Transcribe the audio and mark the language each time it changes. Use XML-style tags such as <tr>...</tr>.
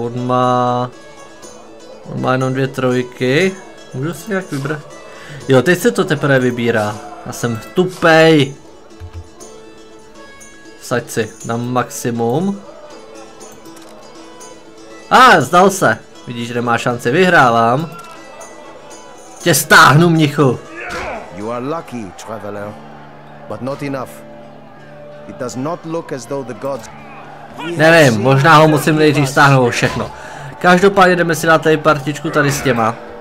<cs>On má jenom dvě trojky. Můžu si nějak vybrat? Jo, teď se to teprve vybírá. Já jsem tupej. Saď si, dám maximum. A, zdal se. Vidíš, že má šanci, vyhrávám. Tě stáhnu, mnichu.</cs> <en>You are lucky, traveler, but not enough. It does not look as though the gods.</en> <cs>Nevím, možná ho musím nejdřív stáhnout všechno. Každopádně jdeme si dát tady partičku tady s těma.</cs>